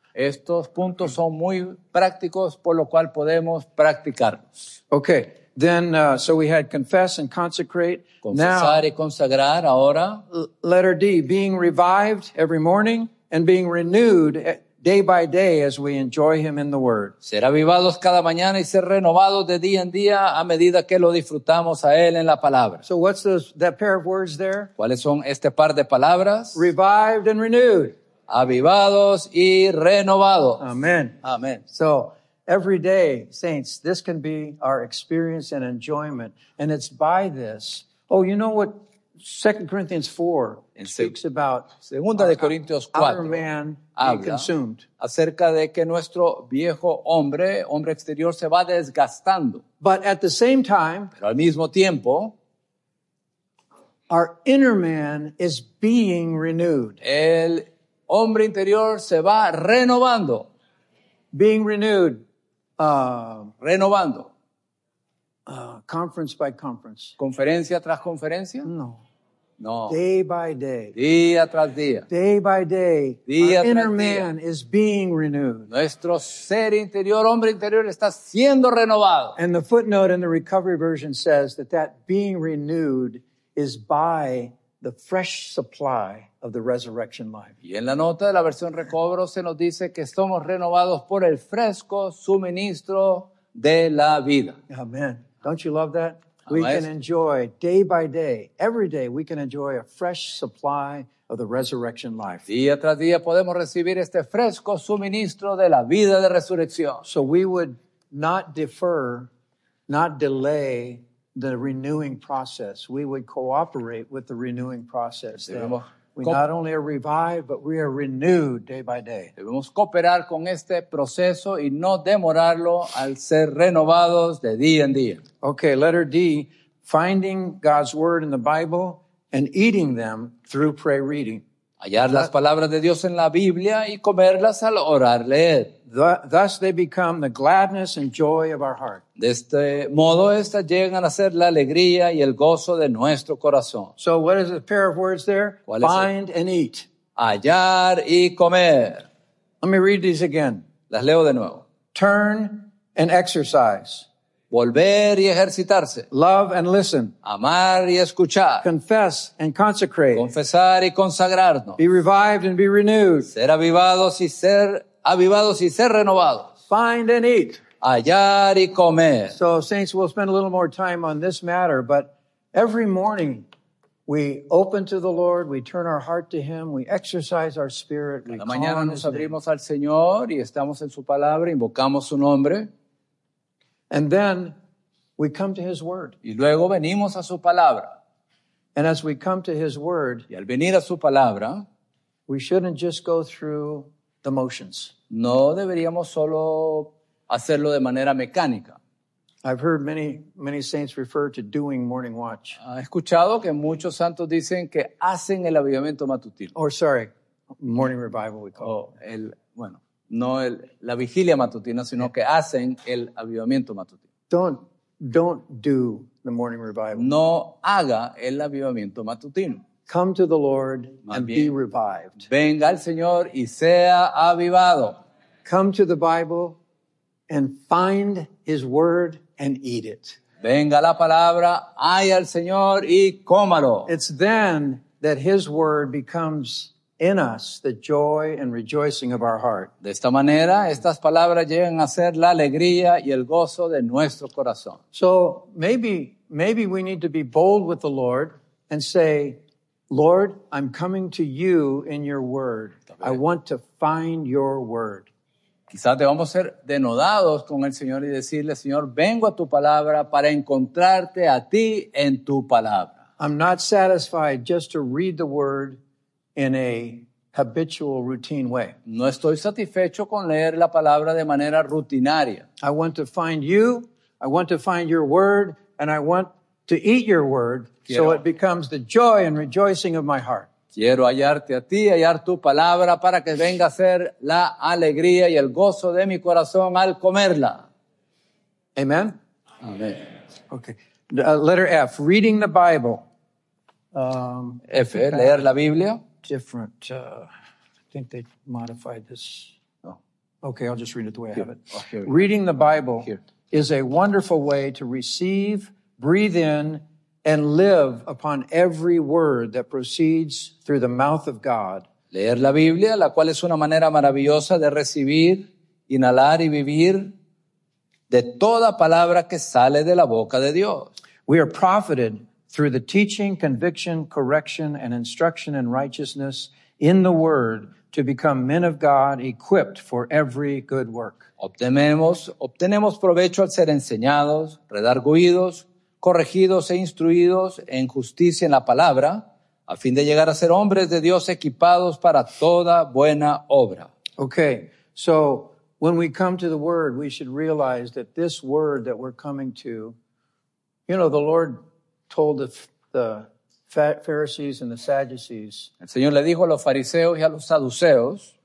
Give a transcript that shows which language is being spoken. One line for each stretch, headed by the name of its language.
Spanish: Estos puntos son muy prácticos, por lo cual podemos practicarlos.
English: Okay. Then, so we had confess and consecrate.
Spanish: Confesar y consagrar ahora.
English: Letter D, being revived every morning and being renewed day by day as we enjoy Him in the Word.
Spanish: Ser avivados cada mañana y ser renovados de día en día a medida que lo disfrutamos a Él en la palabra.
English: So what's that pair of words there?
Spanish: ¿Cuáles son este par de palabras?
English: Revived and renewed.
Spanish: Avivados y renovados.
English: Amen.
Spanish: Amen.
English: So, every day, saints, this can be our experience and enjoyment. And it's by this. Oh, you know what 2 Corinthians 4 speaks about?
Spanish: Segunda de Corintios 4
English: our man being consumed.
Spanish: Acerca de que nuestro viejo hombre, hombre exterior, se va desgastando.
English: But at the same time,
Spanish: pero al mismo tiempo,
English: our inner man is being renewed.
Spanish: El hombre interior se va renovando.
English: Being renewed.
Spanish: Renovando.
English: Conference by conference.
Spanish: ¿Conferencia tras conferencia?
English: No.
Spanish: No.
English: Day by day.
Spanish: Día tras día.
English: Day by day.
Spanish: Día
English: our inner
Spanish: día.
English: Man is being renewed.
Spanish: Nuestro ser interior, hombre interior, está siendo renovado.
English: And the footnote in the recovery version says that that being renewed is by the fresh supply of the resurrection life.
Spanish: Y en la nota de la versión Recobro se nos dice que somos renovados por el fresco suministro de la vida.
English: Amen. Don't you love that?
Spanish: Amaestro.
English: We can enjoy day by day, every day we can enjoy a fresh supply of the resurrection life.
Spanish: Día tras día podemos recibir este fresco suministro de la vida de resurrección.
English: So we would not defer, not delay the renewing process. We would cooperate with the renewing process.
Spanish: Debemos
English: not only are revived, but we are renewed day by day.
Spanish: Debemos cooperar con este proceso y no demorarlo al ser renovados de día en día.
English: Okay, letter D, finding God's word in the Bible and eating them through prayer reading.
Spanish: Hallar las palabras de Dios en la Biblia y comerlas al orar, leer.
English: Thus they become the gladness and joy of our heart.
Spanish: De este modo, estas llegan a ser la alegría y el gozo de nuestro corazón.
English: So what is the pair of words there? Find and eat.
Spanish: Hallar y comer.
English: Let me read these again.
Spanish: Las leo de nuevo.
English: Turn and exercise.
Spanish: Volver y ejercitarse.
English: Love and listen.
Spanish: Amar y escuchar.
English: Confess and consecrate.
Spanish: Confesar y consagrarnos.
English: Be revived and be renewed.
Spanish: Ser avivados y ser renovados.
English: Find and eat.
Spanish: Hallar y comer.
English: So, saints, we'll spend a little more time on this matter, but every morning we open to the Lord, we turn our heart to Him, we exercise our spirit, we call on His name.
Spanish: Mañana nos abrimos al Señor y estamos en su palabra, invocamos su nombre.
English: And then we come to His word.
Spanish: Y luego venimos a su palabra.
English: And as we come to His word,
Spanish: y al venir a su palabra,
English: we shouldn't just go through the motions.
Spanish: No deberíamos solo hacerlo de manera mecánica.
English: I've heard many saints refer to doing morning watch.
Spanish: He escuchado que muchos santos dicen que hacen el avivamiento matutino.
English: Or sorry, morning revival we call.
Spanish: La vigilia matutina, sino que hacen el avivamiento matutino.
English: Don't do the morning revival.
Spanish: No haga el avivamiento matutino.
English: Come to the Lord and be revived.
Spanish: Venga al Señor y sea avivado.
English: Come to the Bible and find His word and eat it.
Spanish: Venga la palabra, haya al Señor y cómalo.
English: It's then that His word becomes in us the joy and rejoicing of our heart.
Spanish: De esta manera, estas palabras llegan a ser la alegría y el gozo de nuestro corazón.
English: So maybe we need to be bold with the Lord and say, Lord, I'm coming to you in your word. I want to find your word.
Spanish: Quizás debamos ser denodados con el Señor y decirle, Señor, vengo a tu palabra para encontrarte a ti en tu palabra.
English: I'm not satisfied just to read the word in a habitual routine way.
Spanish: No estoy satisfecho con leer la palabra de manera rutinaria.
English: I want to find you, I want to find your word, and I want to eat your word.
Spanish: Quiero,
English: so it becomes the joy and rejoicing of my heart.
Spanish: Quiero hallarte a ti, hallar tu palabra para que venga a ser la alegría y el gozo de mi corazón al comerla.
English: Amen.
Spanish: Amen.
English: Okay. Letter F, reading the Bible.
Spanish: F, leer la Biblia.
English: Different. I think they modified this. Oh. Okay, I'll just read it the way here. I have it. Reading the Bible is a wonderful way to receive, breathe in, and live upon every word that proceeds through the mouth of God.
Spanish: Leer la Biblia, la cual es una manera maravillosa de recibir, inhalar y vivir de toda palabra que sale de la boca de Dios.
English: We are profited through the teaching, conviction, correction, and instruction in righteousness in the Word to become men of God equipped for every good work.
Spanish: Obtenemos provecho al ser enseñados, redarguidos, corregidos e instruidos en justicia en la palabra, a fin de llegar a ser hombres de Dios equipados para toda buena obra.
English: Okay, so when we come to the Word, we should realize that this Word that we're coming to, you know, the Lord told the Pharisees and the Sadducees.
Spanish: El Señor le dijo a los fariseos y a los saduceos.